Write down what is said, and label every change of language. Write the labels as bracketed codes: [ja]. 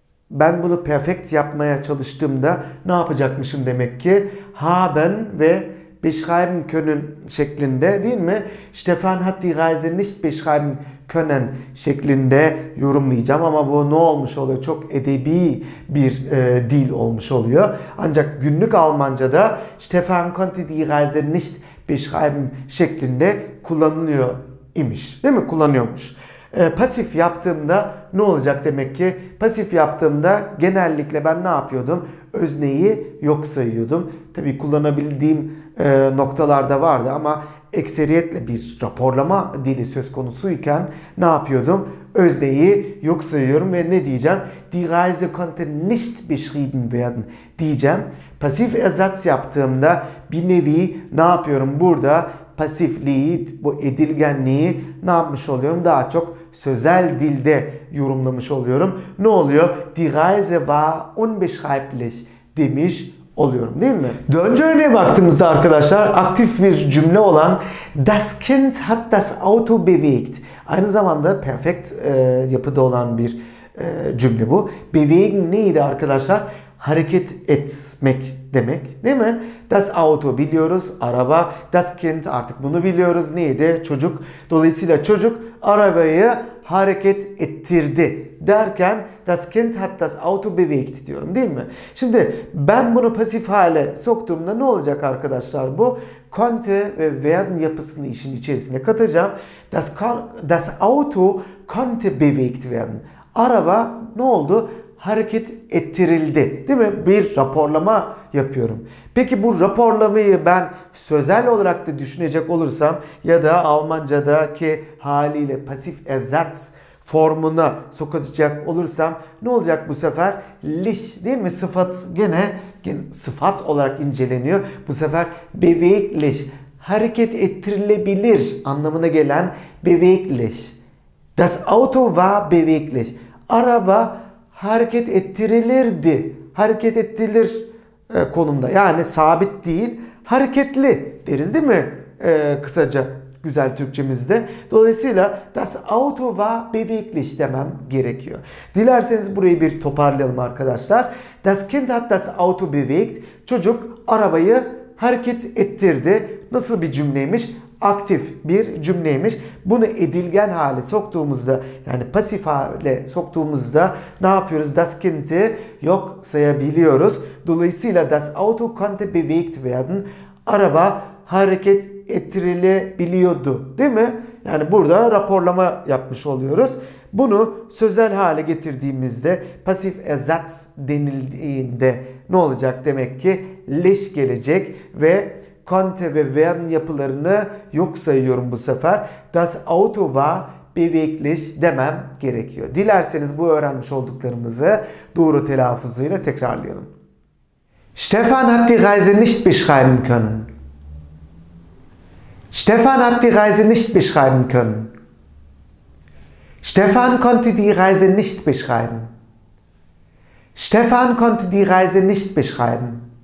[tr] Ben bunu perfect yapmaya çalıştığımda ne yapacakmışım demek ki? Haben ve [de] beschreiben können [tr] şeklinde, değil mi? [de] Stefan hat die Reise nicht beschreiben können [tr] şeklinde yorumlayacağım. Ama bu ne olmuş oluyor? Çok edebi bir dil olmuş oluyor. Ancak günlük Almanca'da [de] Stefan konnte die Reise nicht beschreiben [tr] şeklinde kullanılıyor imiş. Değil mi? Kullanıyormuş. Pasif yaptığımda ne olacak demek ki? Pasif yaptığımda genellikle ben ne yapıyordum? Özneyi yok sayıyordum. Tabii kullanabildiğim noktalarda vardı ama ekseriyetle bir raporlama dili söz konusuyken ne yapıyordum? Özneyi yok sayıyorum ve ne diyeceğim? [de] Die Reise konnte nicht beschrieben werden [tr] diyeceğim. Pasif ersatz yaptığımda bir nevi ne yapıyorum burada? Pasifliği, bu edilgenliği ne yapmış oluyorum? Daha çok sözel dilde yorumlamış oluyorum. Ne oluyor? [de] Die Reise war unbeschreiblich [tr] demiş oluyorum, değil mi? Dönce örneğe baktığımızda arkadaşlar aktif bir cümle olan [de] Das Kind hat das Auto bewegt. [tr] Aynı zamanda perfect yapıda olan bir cümle bu. Bewegen neydi arkadaşlar? Hareket etmek demek, değil mi? Das Auto biliyoruz, araba. Das Kind artık bunu biliyoruz. Neydi? Çocuk. Dolayısıyla çocuk arabayı hareket ettirdi derken [de] Das Kind hat das Auto bewegt [tr] diyorum, değil mi? Şimdi ben bunu pasif hale soktuğumda ne olacak arkadaşlar? Bu konnte ve werden yapısını işin içerisine katacağım. [de] Das Auto konnte bewegt werden. [tr] Araba ne oldu? Hareket ettirildi, değil mi? Bir raporlama yapıyorum. Peki bu raporlamayı ben sözel olarak da düşünecek olursam ya da Almanca'daki haliyle pasif ersatz formuna sokacak olursam ne olacak bu sefer? Lich, değil mi? Sıfat gene sıfat olarak inceleniyor. Bu sefer beweglich, hareket ettirilebilir anlamına gelen beweglich. [de] Das Auto war beweglich. [tr] Araba hareket ettirilirdi. Hareket ettirilir konumda. Yani sabit değil, hareketli deriz, değil mi? Kısaca güzel Türkçemizde. Dolayısıyla [de] das Auto war beweglich [tr] demem gerekiyor. Dilerseniz burayı bir toparlayalım arkadaşlar. [de] Das Kind hat das Auto bewegt. [tr] Çocuk arabayı hareket ettirdi. Nasıl bir cümleymiş? Aktif bir cümleymiş. Bunu edilgen hale soktuğumuzda, yani pasif hale soktuğumuzda ne yapıyoruz? Das Kind'i yok sayabiliyoruz. Dolayısıyla [de] das Auto konnte bewegt werden. [tr] Araba hareket ettirilebiliyordu, değil mi? Yani burada raporlama yapmış oluyoruz. Bunu sözel hale getirdiğimizde pasif ersatz denildiğinde ne olacak demek ki? Lich gelecek ve konnte ve werden yapılarını yok sayıyorum bu sefer. [de] Das Auto war beweglich [tr] demem gerekiyor. Dilerseniz bu öğrenmiş olduklarımızı doğru telaffuzuyla tekrarlayalım. Stefan hat die Reise nicht beschreiben können. Stefan hat die Reise nicht beschreiben können. Stefan konnte die Reise nicht beschreiben. Stefan konnte die Reise nicht beschreiben.